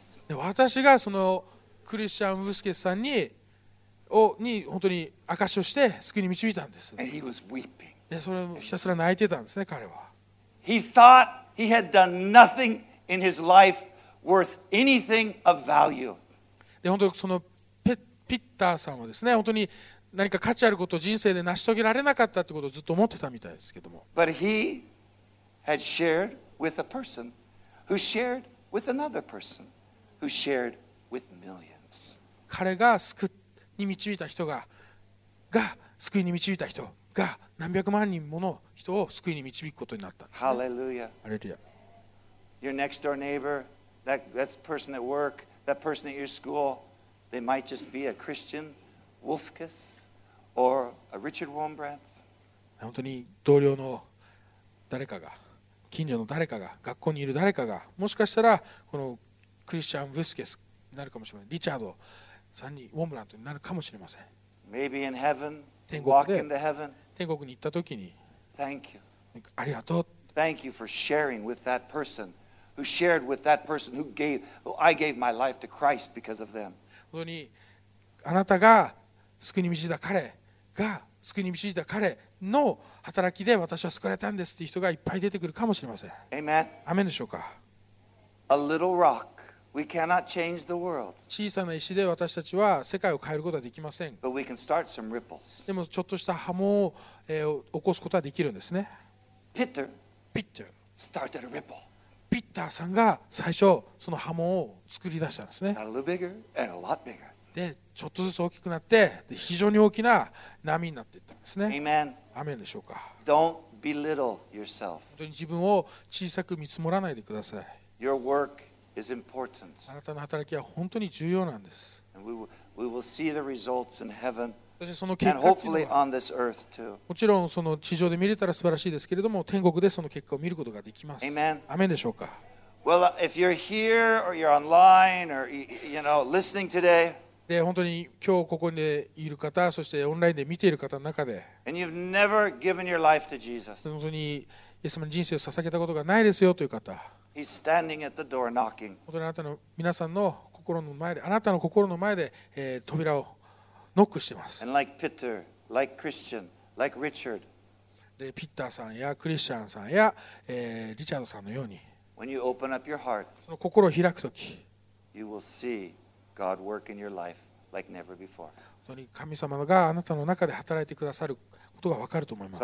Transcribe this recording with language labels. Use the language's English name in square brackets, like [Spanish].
[Japanese] 私がそのクリスチャン・ウスケスさんに本当に証しをして救いに導いたんです。 [English] And he was weeping. [Japanese] で、それをひたすら泣いてたんですね、彼は。 [English] He thought he had done nothing in his life worth anything of value. [Japanese] で、本当にそのピッターさんはですね、本当に何か価値あることを人生で成し遂げられなかったということをずっと思ってたみたいですけども。 [English] But he had shared with a person who sharedWith another person who shared with millions. [Japanese] 彼が救いに導いた人が、救いに導いた人が何百万人もの人を救いに導くことになったんです、ね。 [English] Hallelujah. Hallelujah. Your next door neighbor, that person at work, that person at your school, they might just be a Christian Wolfkus or a Richard Wurmbrand. [Japanese] 本当に同僚の誰かが。近所の誰かが、学校にいる誰かが、もしかしたらこのクリスチャン・ブスケスになるかもしれません。リチャードさんにウォームラントになるかもしれません。 [English] Maybe in heaven, [Japanese] 天国で、 [English] walk into heaven. [Japanese] 天国に行った時に、 [English] Thank you. [Japanese] ありがとう。 [English] Thank you for sharing with that person who shared with that person who gave, who I gave my life to Christ because of them. [Japanese] 本当にあなたが救いに導いた彼が救いに導いた彼の働きで私は救われたんですっていう人がいっぱい出てくるかもしれません。 [English] Amen. [Japanese] アメンでしょうか。 [English] A little rock. We cannot change the world. [Japanese] 小さな石で私たちは世界を変えることはできません。 [English] But we can start some ripples. [Japanese] でもちょっとした波紋を、起こすことはできるんですね。 [English] Peter started a ripple. [Japanese] ピッターさんが最初その波紋を作り出したんですね。 [English] A little bigger and a lot bigger. [Japanese] で、ちょっとずつ大きくなって、で、非常に大きな波になっていったんですね。 [English] Amen. [Japanese] アメンでしょうか。 [English] Don't belittle yourself. [Japanese] 本当に自分を小さく見積もらないでください。 [English] Your work is important. [Japanese] あなたの働きは本当に重要なんです。 [English] And we will see the results in heaven. [Japanese] そしてその結果、 [English] and hopefully on this earth too. [Japanese] もちろんその地上で見れたら素晴らしいですけれども、天国でその結果を見ることができます。 [English] Amen. [Japanese] アメンでしょうか。 [English] Well, if you're here or you're online or you know listening today. [Japanese] で本当に今日ここにいる方、そしてオンラインで見ている方の中で、 [English] And you've never given your life to Jesus. [Japanese] 本当にイエス様に人生を捧げたことがないですよという方、 [English] He's standing at the door knocking. [Japanese] 本当にあなたの皆さんの心の前で、あなたの心の前で、扉をノックしています。 [English] And like Peter, like Christian, like Richard. [Japanese] で、ピッターさんやクリスチャンさんや、リチャードさんのように、 [English] When you open up your heart, [Japanese] その心を開くとき、 [English] You will see. God work in your life like never before. [Japanese] 本当に神様があなたの中で働いてくださることが分かると思います。